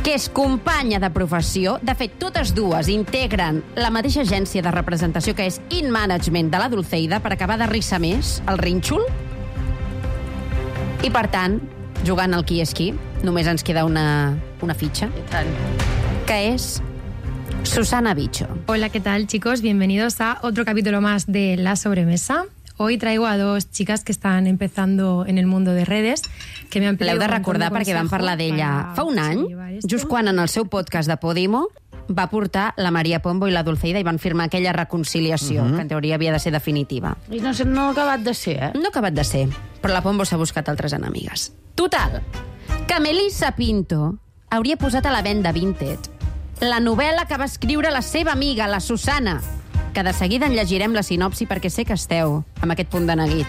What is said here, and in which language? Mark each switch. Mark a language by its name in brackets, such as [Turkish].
[Catalan] Que és companya de professió. De fet, totes dues integren la mateixa agència de representació, que és In Management, de la Dulceida, per acabar de rissar més el rínxol. I, per tant, jugant al qui és qui, només ens queda una fitxa, que és Susana Bicho. [Spanish] Hola, ¿qué tal, chicos? Bienvenidos a otro capítulo más de La Sobremesa. Hoy traigo a dos chicas que están empezando en el mundo de redes, que me han pedido... [Catalan] L'heu de recordar perquè vam parlar d'ella fa un any, just quan en el seu podcast de Podimo va portar la Maria Pombo i la Dulceida i van firmar aquella reconciliació, que en teoria havia de ser definitiva. I no ha acabat de ser, eh? No ha acabat de ser. però la Pombo s'ha buscat altres enemigues. Total, que Melissa Pinto hauria posat a la venda Vinted la novel·la que va escriure la seva amiga, la Susana, que de seguida en llegirem la sinopsi perquè sé que esteu amb aquest punt de neguit.